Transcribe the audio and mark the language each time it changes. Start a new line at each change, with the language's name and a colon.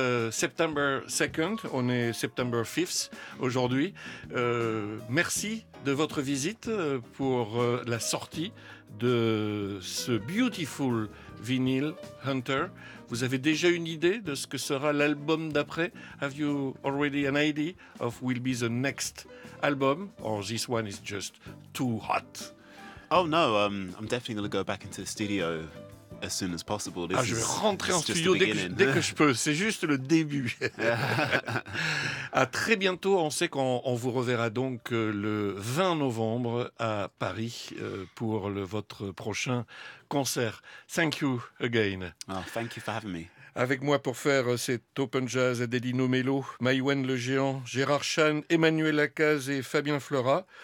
French: September 2nd, on est September 5th aujourd'hui. Merci de votre visite pour la sortie de ce beautiful vinyl Hunter. Vous avez déjà une idée de ce que sera l'album d'après?
English: Have you already an idea of what will be the next album? Or this one is just too hot? Oh no, I'm definitely going to go back into the studio as soon as possible.
French: This je vais rentrer en studio dès que je peux, c'est juste le début. À très bientôt, on sait qu'on vous reverra donc le 20 novembre à Paris pour votre prochain concert.
English: Thank you again. Oh, thank you for having me.
French: Avec moi pour faire cet Open Jazz, Adelino Mello, Maïwenn Le Géant, Gérard Chan, Emmanuel Lacaze et Fabien Flora.